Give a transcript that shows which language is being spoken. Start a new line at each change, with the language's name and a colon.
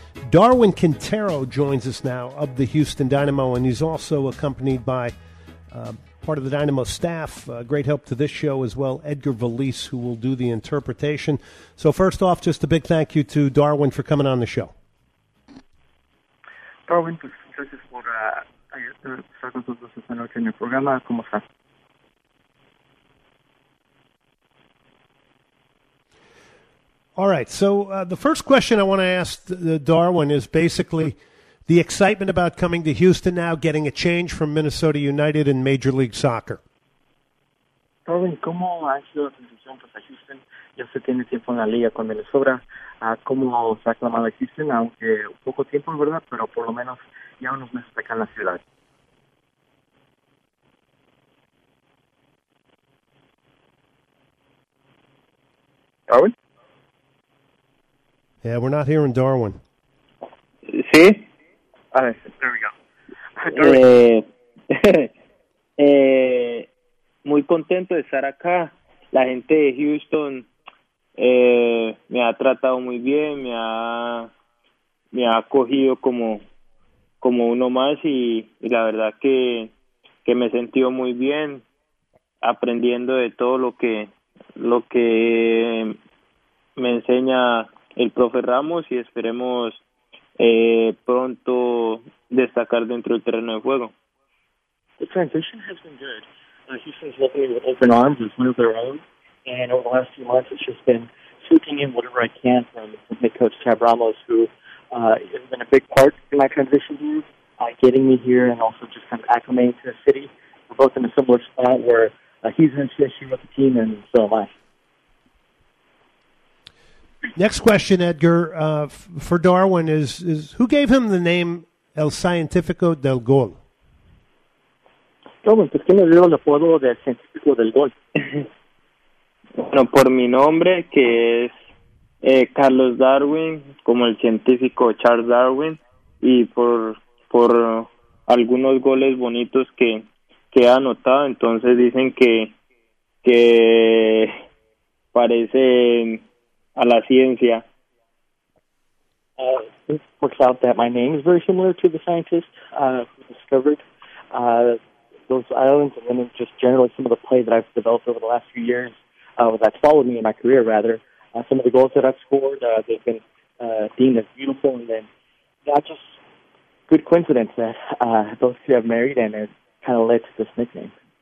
English: Darwin Quintero joins us now of the Houston Dynamo, and he's also accompanied by part of the Dynamo staff. Great help to this show as well, Edgar Valise, who will do the interpretation. So first off, just a big thank you to Darwin for coming on the show.
Spanish: Darwin, gracias por estar con nosotros esta noche en el programa. ¿Cómo estás?
English: All right, so the first question I want to ask Darwin is basically the excitement about coming to Houston now, getting a change from Minnesota United in Major League Soccer.
Spanish: Darwin, ¿cómo ha sido la transición para Houston? Ya se tiene tiempo en la liga con Minnesota. ¿Cómo se ha aclamado Houston? Aunque poco tiempo, ¿verdad? Pero por lo menos ya unos meses acá en la ciudad. Darwin?
English: Yeah, we're not here in Darwin.
Spanish: ¿Sí?
English: Ah, there we go.
Spanish: muy contento de estar acá. La gente de Houston me ha tratado muy bien, me ha acogido como uno más y la verdad que me he sentido muy bien aprendiendo de todo lo que me enseña el profe Ramos, y esperemos pronto destacar dentro del terreno de juego.
English: The transition has been good. Houston's welcoming with open arms, it's moved their own, and over the last few months it's just been soaking in whatever I can from head coach Chad Ramos, who has been a big part in my transition here, getting me here and also just kind of acclimating to the city. We're both in a similar spot where he's in transition with the team and so am I. Next question, Edgar, for Darwin is who gave him the name El Científico del Gol?
Spanish: Darwin, ¿por qué me dio el apodo de El Científico del Gol? Bueno, por mi nombre, que es Carlos Darwin, como el científico Charles Darwin, y por algunos goles bonitos que ha anotado, entonces dicen que parece a la ciencia.
English: It works out that my name is very similar to the scientist who discovered those islands, and then just generally some of the play that I've developed over the last few years that's followed me in my career, rather. Some of the goals that I've scored, they've been deemed as beautiful, and then just good coincidence that those two have married, and it kind of led to this nickname.